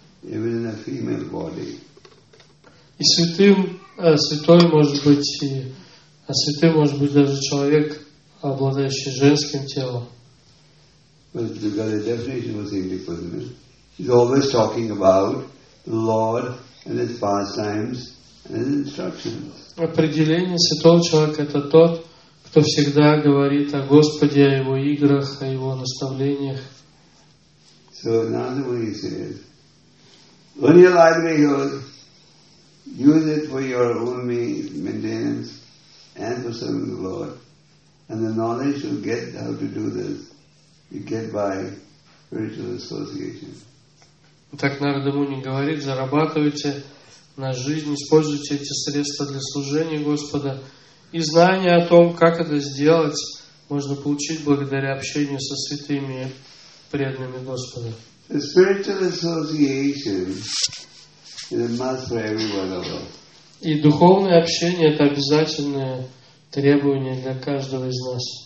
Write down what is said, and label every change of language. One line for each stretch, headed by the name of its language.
Russian: И святой может быть и а святым может быть даже человек, обладающий женским телом.
English: But you got a definition of a saintly person. He's always talking about the Lord and his pastimes and his instructions.
Russian: Определение святого человека — это тот, кто всегда говорит о Господе, о его играх, о его наставлениях.
English: So another way he says, earn your livelihood, use it for your own maintenance, and for serving the Lord. And the knowledge you get how to do this, you get by spiritual association.
Russian: Так Нарада Муни говорит, зарабатывайте на жизнь, используйте эти средства для служения Господа. И знание о том, как это сделать, можно получить благодаря общению со святыми преданными Господа. И духовное общение – это обязательное требование для каждого из нас.